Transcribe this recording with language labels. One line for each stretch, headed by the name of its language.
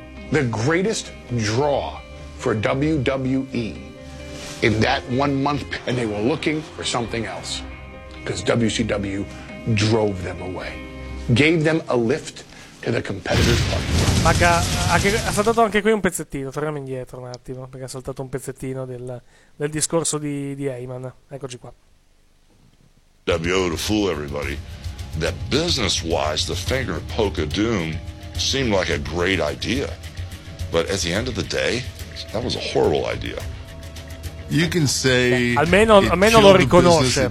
English: The greatest draw for WWE in that 1 month, and they were looking for something else because WCW drove them away. Gave them a lift to the competitor's party.
Italian: Maga, ha saltato anche qui un pezzettino. Torniamo indietro un attimo, perché ha saltato un pezzettino del discorso di Heyman. Eccoci qua.
English: WO to fool everybody that business-wise, the Finger Poke of Doom seemed like a great idea. But at the end of the day, that was a horrible idea. You can say
Italian: almeno lo riconosce.